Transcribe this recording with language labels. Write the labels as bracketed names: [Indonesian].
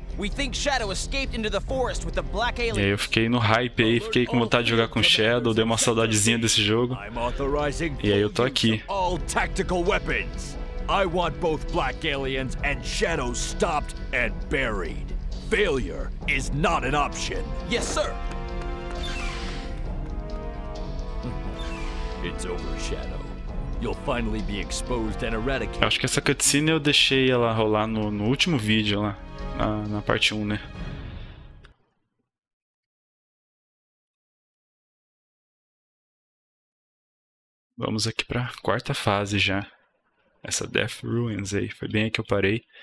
[English] We think Shadow escaped into the forest with the black alien. [Portuguese] E aí eu fiquei no hype aí, fiquei com vontade de jogar com Shadow, dei uma saudadezinha desse jogo. E aí eu tô aqui. [English] All tactical weapons. I want both black aliens and Shadow stopped and buried. Failure is not an option. Yes, sir. It's over, Shadow. You'll finally be exposed and eradicated. [Portuguese] Acho que essa cutscene eu deixei ela rolar no último vídeo lá, na parte 1, né? Vamos aqui pra quarta fase já. Essa Death Ruins aí, foi bem aí que eu parei.